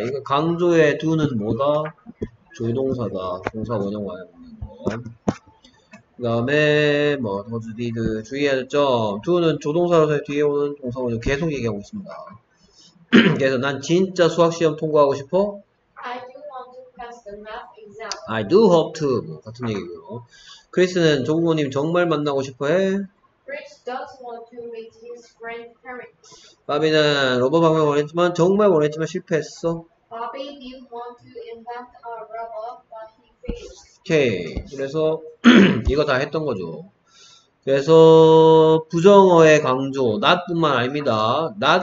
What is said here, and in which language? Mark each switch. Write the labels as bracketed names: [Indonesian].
[Korean] 이거 강조해 두는 뭐다? 조동사다. 동사 원형 와야 되는 거. 그 다음에 뭐 더즈디드 주의해야 될점 2는 조동사로서의 뒤에 오는 동사로 계속 얘기하고 있습니다. 그래서 난 진짜 수학시험 통과하고 싶어? [English] I do want to pass the math exam. I do hope to [Korean] 뭐 같은 얘기고요. 크리스는 조부모님 정말 만나고 싶어 해? [English] Chris does want to meet his grandparents. [Korean] 바비는 로봇 방명 원했지만 정말 원했지만 실패했어. [English] Bobby did want to invent a robot, but he failed. [Korean] 오케이. 그래서 이거 다 했던 거죠. 그래서 부정어의 강조 not뿐만 아닙니다.